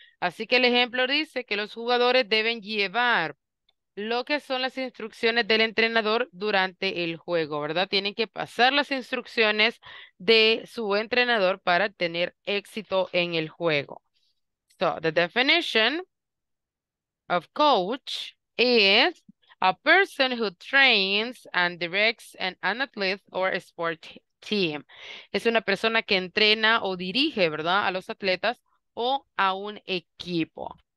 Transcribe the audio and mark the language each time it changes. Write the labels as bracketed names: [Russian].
[Spanish] Así que el ejemplo dice que los jugadores deben llevar lo que son las instrucciones del entrenador durante el juego, ¿verdad? Tienen que pasar las instrucciones de su entrenador para tener éxito en el juego. [English] So, the definition of coach is a person who trains and directs an athlete or a sport team. [Spanish] Es una persona que entrena o dirige, ¿verdad?, a los atletas o a un equipo.